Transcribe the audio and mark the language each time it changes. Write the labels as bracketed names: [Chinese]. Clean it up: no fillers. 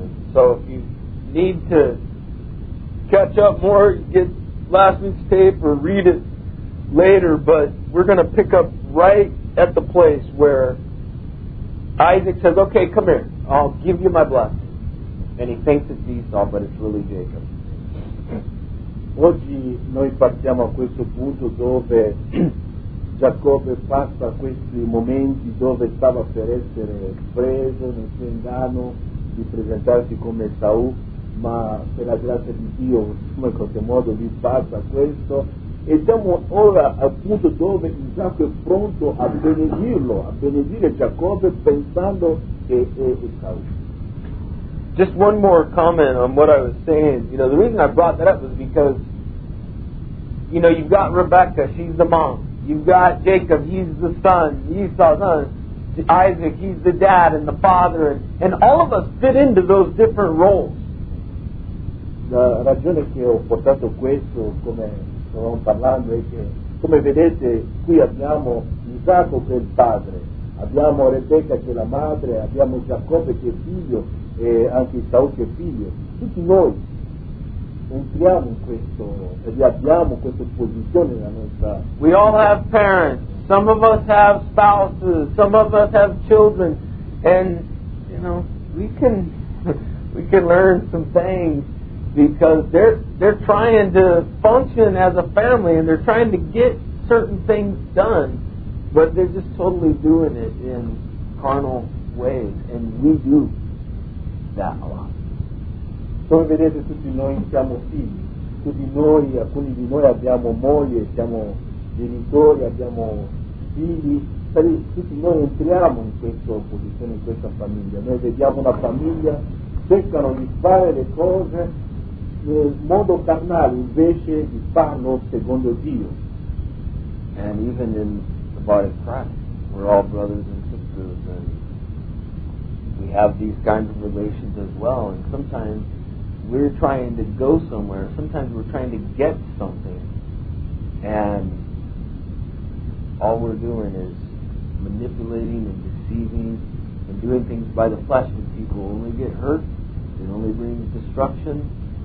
[English] And so if you need to catch up more, get last week's tape or read it later, but we're going to pick up right at the place where Isaac says, okay, come here, I'll give you my blessing, and he thinks it's Esau, but it's really Jacob. [Italian] Oggi noi partiamo a questo punto dove Giacobbe passa questi momenti dove stava per essere preso nel suo inganno di presentarsi come Esau, ma per la grazia di Dio insomma, in qualche modo vi passa questo, e siamo ora al punto dove Isacco è pronto a benedirlo, a benedire Giacobbe pensando che è Esau. [English] Just one more comment on what I was saying. You know, the reason I brought that up was because, you know, you've got Rebecca, she's the mom. You've got Jacob, he's the son. Esau's son. Isaac, he's the dad and the father. And all of us fit into those different roles. [Italian] La ragione che ho portato questo, come stavamo parlando, è che, come vedete, qui abbiamo Isacco che è il padre, abbiamo Rebecca che è la madre, abbiamo Giacobbe che è figlio, e anche Esau che è figlio. Tutti noi entriamo in questo, e abbiamo questa posizione nella nostra... [English] We all have parents. Some of us have spouses. Some of us have children. And, you know, we can learn some things. Because they're trying to function as a family and they're trying to get certain things done, but they're just totally doing it in carnal ways, and we do that a lot. [Italian] Come vedete, tutti noi siamo figli, tutti noi, alcuni di noi abbiamo moglie, siamo genitori, abbiamo figli, tutti noi entriamo in questa posizione, in questa famiglia. Noi vediamo una famiglia, cercano di fare le cose nel modo carnale invece di farlo secondo Dio. [English] And even in the body of Christ, we're all brothers and sisters, and we have these kinds of relations as well. And sometimes we're trying to go somewhere, sometimes we're trying to get something, and all we're doing is manipulating and deceiving and doing things by the flesh, and people only get hurt, it only brings destruction.